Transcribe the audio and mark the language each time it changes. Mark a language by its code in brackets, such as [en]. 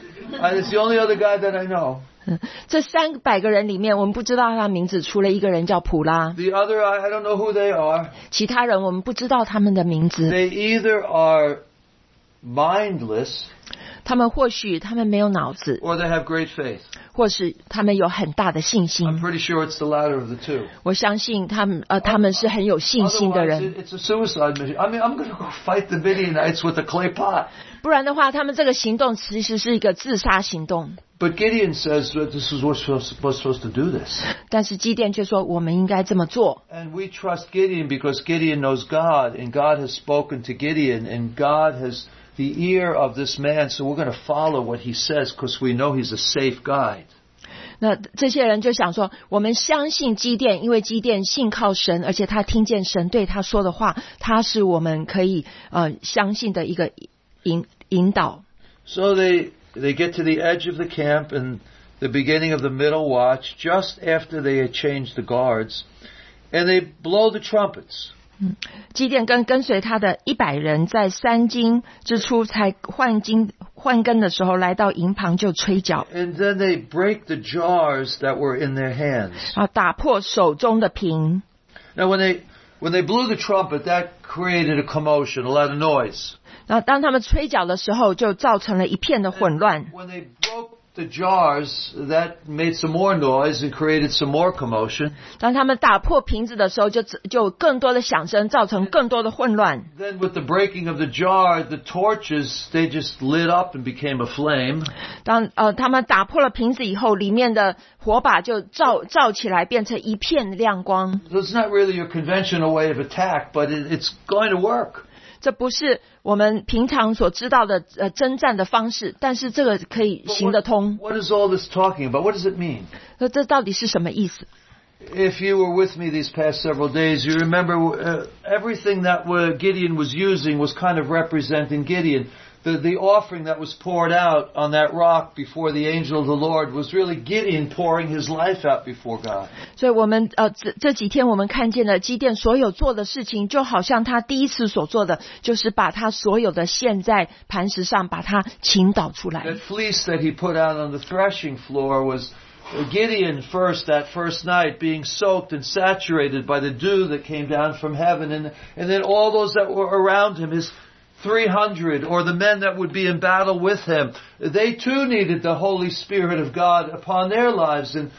[en] It's the only other guy that I know. [zh] 这三百个人里面，我们不知道他名字，除了一个人叫普拉。 [en] The other, I don't know who they are. [zh] 其他人我们不知道他们的名字。 [en] They either are mindless. [zh] 他们或许他们没有脑子。 [en] Or they have great faith. [zh] 或是他们有很大的信心。 [en] I'm pretty sure it's the latter of the two. [zh] 我相信他们是很有信心的人。 [en] Otherwise, it's a suicide mission. I mean, I'm going to go fight the Midianites with a clay pot. [zh] 不然的话，他们这个行动其实是一个自杀行动。 [en] But Gideon says that this is what we're supposed to do this. [zh] 但是基甸却说我们应该这么做。 [en] And we trust Gideon because Gideon knows God, and God has spoken to Gideon, and God has. The ear of this man, so we're going to follow what he says because we know he's a safe guide. [zh] 那这些人就想说，我们相信基甸，因为基甸信靠神，而且他听见神对他说的话，他是我们可以相信的一个引导。 [en] So they get to the edge of the camp and the beginning of the middle watch, just after they had changed the guards, and they blow the trumpets. [zh] 基甸跟随他的一百人在三更之初才换更的时候来到营旁就吹角。 [en] And then they break the jars that were in their hands. [zh] 然后打破手中的瓶。 [en] Now when they blew the trumpet, that created a commotion, a lot of noise. [zh] 然后当他们吹角的时候就造成了一片的混乱。 [en] And when they broke... The jars that made some more noise and created some more commotion. [zh] 当他们打破瓶子的时候，就更多的响声，造成更多的混乱。 [en] Then with the breaking of the jar, the torches they just lit up and became a flame. [zh] 当他们打破了瓶子以后，里面的火把就照起来，变成一片亮光。 [en] So it's not really your conventional way of attack, but it's going to work. [zh] 这不是我们平常所知道的征战的方式，但是这个可以行得通。 [en] What is all this talking about? What does it mean? [zh] 这到底是什么意思？ [en] If you were with me these past several days, you remember everything that Gideon was using was kind of representing Gideon. The offering that was poured out on that rock before the angel of the Lord was really Gideon pouring his life out before God. [zh] 所以我们这几天我们看见了基甸所有做的事情，就好像他第一次所做的，就是把他所有的献在磐石上，把他倾倒出来。 [en] That fleece that he put out on the threshing floor was Gideon first that first night being soaked and saturated by the dew that came down from heaven, and then all those that were around him, his 300, or the men that would be in battle with him, they too needed the Holy Spirit of God upon their lives.